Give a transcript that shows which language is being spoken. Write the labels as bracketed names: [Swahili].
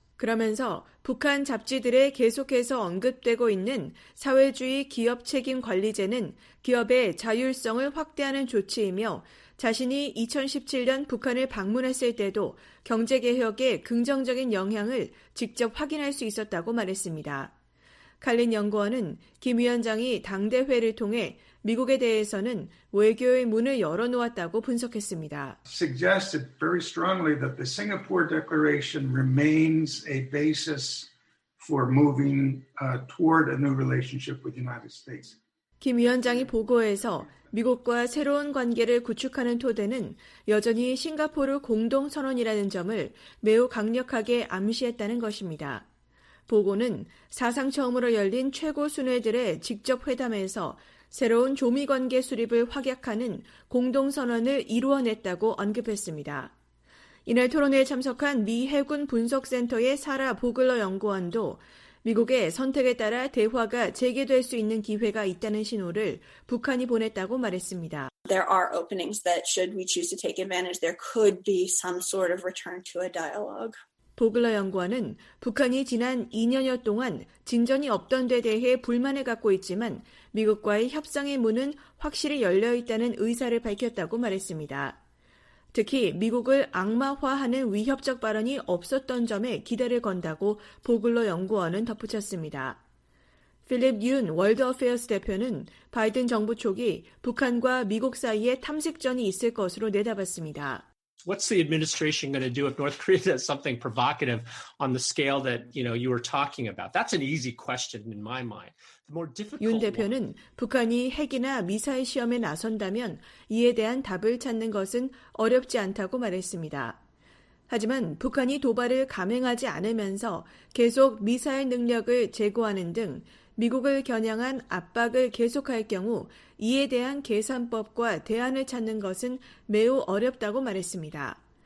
[Korean] 그러면서 북한 잡지들에 계속해서 언급되고 있는 사회주의 기업 책임 관리제는 기업의 자율성을 확대하는 조치이며 자신이 2017년 북한을 방문했을 때도 경제개혁에 긍정적인 영향을 직접 확인할 수 있었다고 말했습니다. 칼린 연구원은 김 위원장이 당대회를 통해 미국에 대해서는 외교의 문을 열어놓았다고 분석했습니다. [English] Suggested very strongly that the Singapore Declaration remains a basis for moving toward a new relationship with the United States. [Korean] 김 위원장이 보고해서 미국과 새로운 관계를 구축하는 토대는 여전히 싱가포르 공동선언이라는 점을 매우 강력하게 암시했다는 것입니다. 보고는 사상 처음으로 열린 최고 순회들의 직접 회담에서 새로운 조미관계 수립을 확약하는 공동선언을 이루어냈다고 언급했습니다. 이날 토론회에 참석한 미 해군 분석센터의 사라 보글러 연구원도 미국의 선택에 따라 대화가 재개될 수 있는 기회가 있다는 신호를 북한이 보냈다고 말했습니다. [English] There are openings that should we choose to take advantage, there could be some sort of return to a dialogue. [Korean] 보글러 연구원은 북한이 지난 2년여 동안 진전이 없던 데 대해 불만을 갖고 있지만 미국과의 협상의 문은 확실히 열려 있다는 의사를 밝혔다고 말했습니다. 특히 미국을 악마화하는 위협적 발언이 없었던 점에 기대를 건다고 보글러 연구원은 덧붙였습니다. 필립 윤 월드어페어스 대표는 바이든 정부 초기 북한과 미국 사이에 탐색전이 있을 것으로 내다봤습니다. [English] What's the administration going to do if North Korea does something provocative on the scale that, you know, you were talking about? That's an easy question in my mind. The more difficult [Korean] 윤 대표는 북한이 핵이나 미사일 시험에 나선다면 이에 대한 답을 찾는 것은 어렵지 않다고 말했습니다. 하지만 북한이 도발을 감행하지 않으면서 계속 미사일 능력을 제고하는 등 미국을 겨냥한 압박을 계속할 경우 이에 대한 계산법과 대안을 찾는 것은 매우 어렵다고 말했습니다.